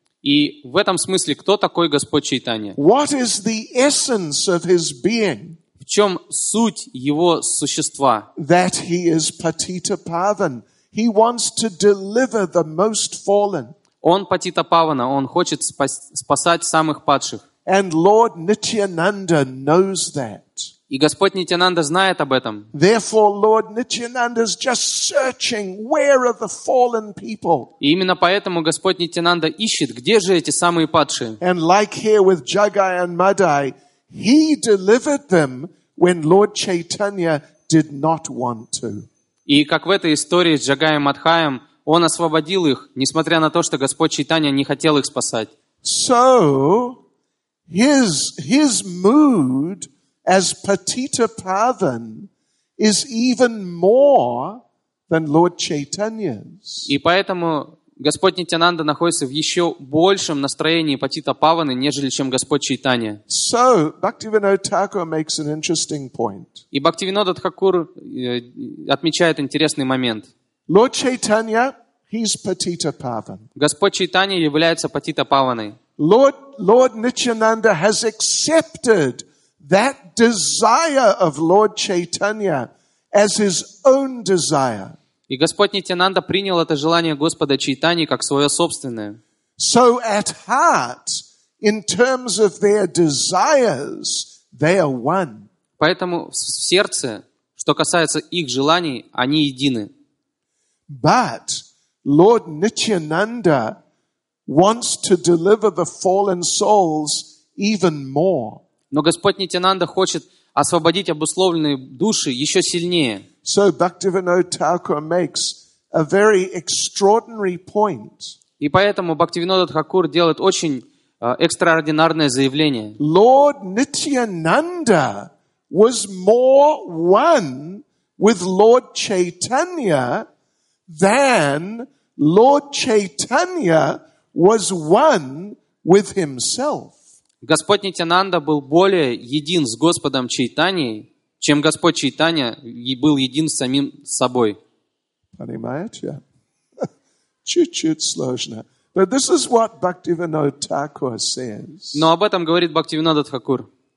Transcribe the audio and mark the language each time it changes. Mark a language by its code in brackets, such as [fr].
[ru] И в этом смысле, кто такой Господь Чайтанья? [en] What is the essence of his being? [ru] В чем суть его существа? [en] That he is Patitapavan. He wants to deliver the most fallen. [ru] Он Патитапавана, он хочет спасать самых падших. [en] And Lord Nityananda knows that. [ru] И Господь Нитянанда знает об этом. [en] Therefore, Lord Nityananda is just searching, where are the fallen people? [ru] И именно поэтому Господь Нитянанда ищет, где же эти самые падшие. [en] And like here with Jagai and Madai, he delivered them when Lord Chaitanya did not want to. [ru] И как в этой истории с Джагаем и Мадхаем, он освободил их, несмотря на то, что Господь Чайтанья не хотел их спасать. [en] So, his mood as Patitapavan is even more than Lord Chaitanya's. [ru] И поэтому Господь Нитянанда находится в еще большем настроении Патитапаваны, нежели чем Господь Чайтанья. [en] So, Bhaktivinoda Thakur makes an interesting point. [ru] И Бхактивинода Тхакур отмечает интересный момент. [en] Lord Chaitanya, he's Patitapavan. [ru] Господь Чайтанья является Патитапаваной. [en] Lord Nityananda has accepted that desire of Lord Chaitanya as his own desire. [ru] И Господь Нитянанда принял это желание Господа Чайтаньи как свое собственное. [en] So at heart, in terms of their desires, they are one. [ru] Поэтому в сердце, что касается их желаний, они едины. [en] But Lord Nityananda wants to deliver the fallen souls even more. [ru] Но Господь Нитянанда хочет освободить обусловленные души еще сильнее. [en] So Bhaktivinoda Thakur makes a very extraordinary point. [ru] И поэтому Бхактивинода Тхакур делает очень экстраординарное заявление. [en] Lord Nityananda was more one with Lord Chaitanya than Lord Chaitanya was one with himself. [ru] Господь Нитянанда был более един с Господом Чайтаньей, чем Господь Чайтанья был един с самим собой. Понимаете? Чуть-чуть сложно. [en] But this is what Bhaktivinoda Thakur says. [ru] Но об этом говорит Бхактивинода Тхакур.